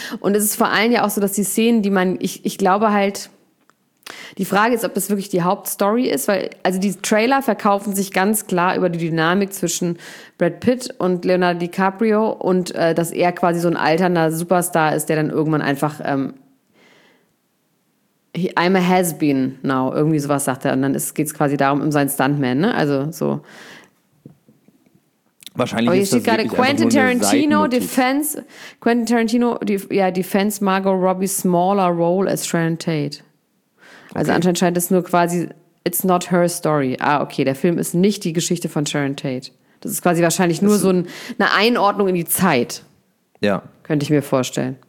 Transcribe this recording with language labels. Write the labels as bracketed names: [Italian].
[German] Und es ist vor allem ja auch so, dass die Szenen, die man, ich glaube halt, die Frage ist, ob das wirklich die Hauptstory ist, weil, also die Trailer verkaufen sich ganz klar über die Dynamik zwischen Brad Pitt und Leonardo DiCaprio und dass er quasi so ein alternder Superstar ist, der dann irgendwann einfach [English] I'm a has-been now, [German] irgendwie sowas sagt er. Und dann geht es quasi darum, um seinen Stuntman, ne? Also so. Wahrscheinlich ist das wirklich einfach nur eine Seitenmotiv. [English] Quentin Tarantino defends Margot Robbie's smaller role as Sharon Tate. [German] Also anscheinend scheint es nur quasi, [English] it's not her story. [German] Ah, okay, der Film ist nicht die Geschichte von Sharon Tate. Das ist quasi wahrscheinlich nur so eine Einordnung in die Zeit. Ja. Könnte ich mir vorstellen.